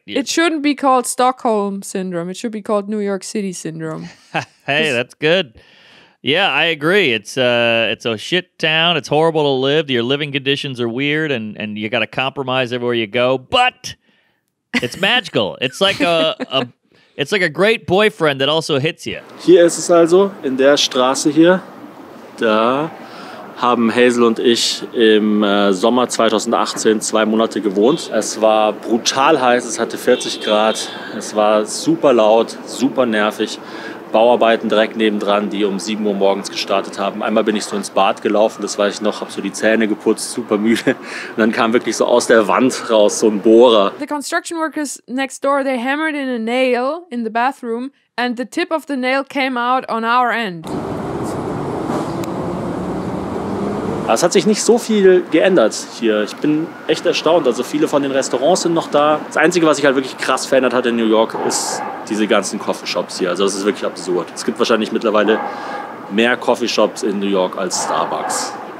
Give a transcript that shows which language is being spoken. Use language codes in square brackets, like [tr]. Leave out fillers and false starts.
[en] It shouldn't be called Stockholm Syndrome. It should be called New York City Syndrome. Hey, that's good. Yeah, I agree. It's a shit town. It's horrible to live. Your living conditions are weird and you got to compromise everywhere you go. But it's magical. It's like a great boyfriend that also hits you. [de] Hier ist es also, in der Straße hier. Da haben Hazel und ich im Sommer 2018 2 Monate gewohnt. Es war brutal heiß, es hatte 40 Grad, es war super laut, super nervig. Bauarbeiten direkt nebendran, die um 7 Uhr morgens gestartet haben. Einmal bin ich so ins Bad gelaufen, das weiß ich noch, habe so die Zähne geputzt, super müde. Und dann kam wirklich so aus der Wand raus so ein Bohrer. [en] The construction workers next door, they hammered in a nail in the bathroom and the tip of the nail came out on our end. [de] Es hat sich nicht so viel geändert hier. Ich bin echt erstaunt. Also viele von den Restaurants sind noch da. Das Einzige, was sich halt wirklich krass verändert hat in New York, ist diese ganzen Coffeeshops hier. Also das ist wirklich absurd. Es gibt wahrscheinlich mittlerweile mehr Coffeeshops in New York als Starbucks.